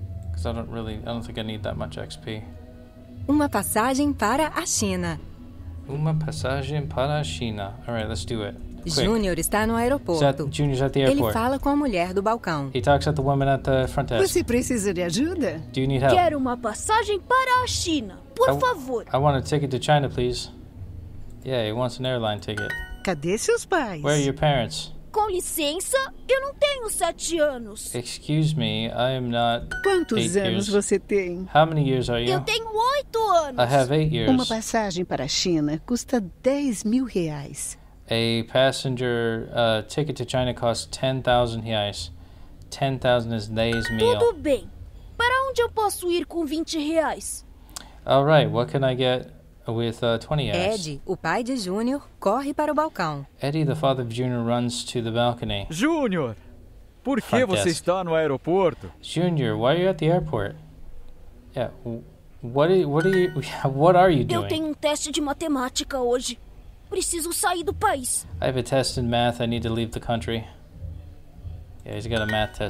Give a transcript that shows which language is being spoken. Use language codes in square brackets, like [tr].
[en] Because I don't think I need that much XP. [pt] Uma passagem para a China. Uma passagem para a China. [en] All right, let's do it. [pt] Júnior está no aeroporto. [en] Junior's at the airport. [pt] Ele fala com a mulher do balcão. [en] He talks at the woman at the front desk. [pt] Você precisa de ajuda? [en] Do you need help? [pt] Quero uma passagem para a China, por favor. [en] I want a ticket to China, please. Yeah, he wants an airline ticket. [pt] Cadê seus pais? [en] Where are your parents? [pt] Com licença, eu não tenho 7 anos. [en] Excuse me, I am not. [pt] Quantos anos você tem? [en] How many years are you? [pt] Eu tenho 8 anos. [en] I have 8 years. [pt] Uma passagem para a China custa 10 mil reais. [en] A passenger ticket to China costs 10,000 reais. 10,000 is 10 mil. [pt] Tudo bem. Para onde eu posso ir com 20 reais? [en] All right, what can I get with 20 reais? [pt] Eddie, o pai de Junior, corre para o balcão. [en] Eddie, the father of Junior, runs to the balcony. [pt] Junior, por que você está no aeroporto? [en] Junior, why are you at the airport? Yeah, what are you doing? [pt] Eu tenho um teste de matemática hoje. Preciso sair do país. [en] I have a test in math. I need to leave the country. Yeah, he's got a math test.